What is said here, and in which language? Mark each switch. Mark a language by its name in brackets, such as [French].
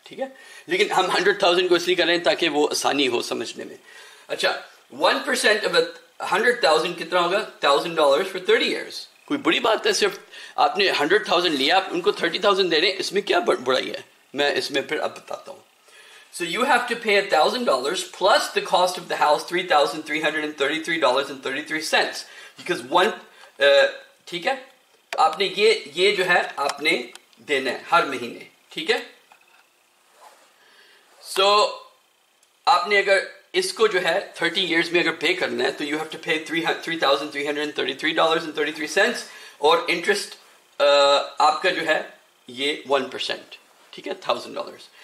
[Hindi] ठीक है, लेकिन हम 100,000 को इसलिए कर रहे हैं ताकि वो आसानी हो समझने में. अच्छा, 1% ऑफ 100,000 कितना होगा? $1,000 फॉर 30 years. कोई बुरी बात है? सिर्फ आपने 100,000 लिया, आप उनको 30,000 दे रहे हैं, इसमें क्या बुराई है? मैं इसमें फिर अब बताता हूँ. [English] So you have to pay $1,000 plus the cost of the house $3,333.33 because one, [Hindi] ठीक है, आपने ये जो है आपने देना है हर महीने. ठीक है, so आपने अगर इसको जो है 30 years में अगर pay करना है तो [English] you have to pay $3,333.33 [Hindi] और interest आपका जो है ये 1%. ठीक है, $1,000.